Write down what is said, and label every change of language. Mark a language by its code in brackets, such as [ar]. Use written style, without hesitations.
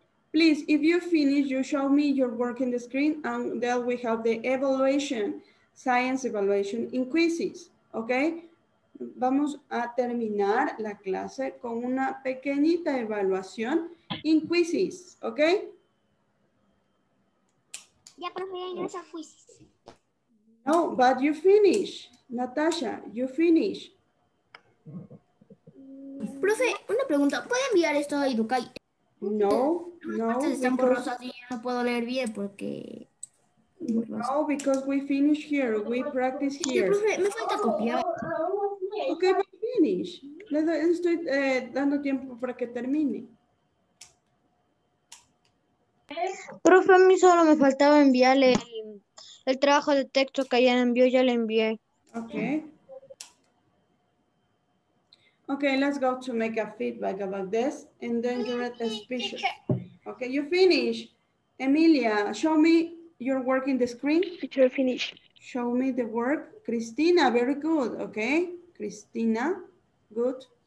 [en] Please, if you finish, you show me your work in the screen and then we have the evaluation, science evaluation in quizzes. Okay? [es] Vamos a terminar la clase con una pequeñita evaluación in quizzes. [en] Okay? [es] Ya, profe, ya ingresa a quizzes. [en] No, but you finish. Natasha, you finish. [es] Profe, una pregunta, ¿puede enviar esto a Educai? No, no. Están borrosas y no puedo leer bien porque... [en] No, because we finish here, we practice here. [es] Sí, profe, me falta copiar. [en] Ok, we finish. [es] Estoy dando tiempo para que termine. Profe, a mí solo me faltaba enviarle el trabajo de texto que ayer envió, ya le envié. [en] Ok. Okay, let's go to make a feedback about this and then you're at the speech. Okay, you finish. Emilia, show me your work in the screen. Teacher, finish. Show me the work. Cristina, very good. Okay, Cristina, good.